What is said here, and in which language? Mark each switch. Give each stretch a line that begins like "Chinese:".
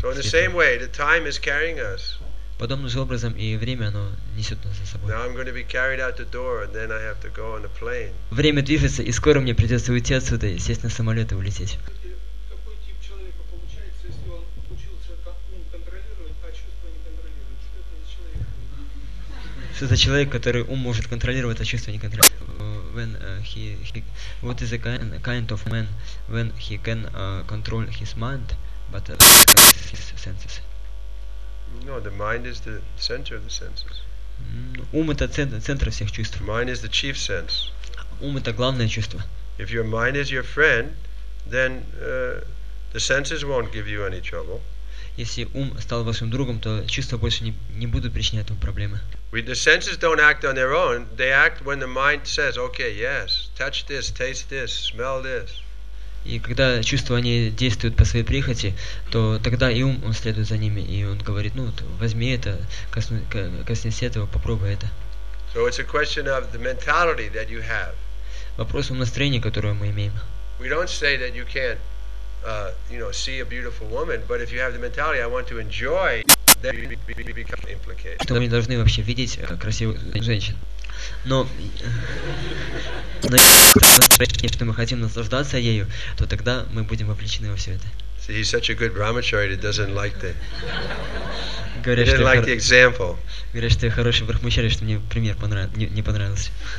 English: So in the same way, the time is carrying us.
Russian: Подобным же образом и время, оно несет нас за собой.
English: Door,
Russian: время движется, и скоро мне придется уйти отсюда, сесть на самолет и улететь. Какой тип человека получается, если он учился контролировать, а чувства не контролировать? Что за человек, который ум может контролировать, а чувства не контролировать?
English: When he what is the kind of man when he can control his mind, but his senses? No, the mind is the center of the senses.
Russian: Ум это центр всех чувств.
English: Mind is the chief sense.
Russian: Ум это главное чувство.
English: If your mind is your friend, then the senses won't give you any trouble.
Russian: Если ум стал вашим другом, то чувства больше не будут причинять вам проблемы.
English: The senses don't act on their own. They act when the mind says, "Okay, yes, touch this, taste this, smell this."
Russian: И когда чувства они действуют по своей прихоти, то тогда и ум он следует за ними, и он говорит, ну вот, возьми это, коснись этого, попробуй это.
English: So it's a question of the mentality that you have.
Russian: Вопрос в настроении, которое мы имеем.
English: We don't say that you can't, you know, see a beautiful woman, but if you have the mentality, I want to enjoy, then you become implicated.
Russian: Что мы должны вообще видеть красивых женщин? Но если мы хотим наслаждаться ею, то тогда мы будем вовлечены во все это.
English: See, he's such a good brahmacharya, he doesn't like the.
Russian: Говорят,
English: he didn't like the example.
Russian: Говорят, что я хороший брахмачарий, что мне пример не понравился.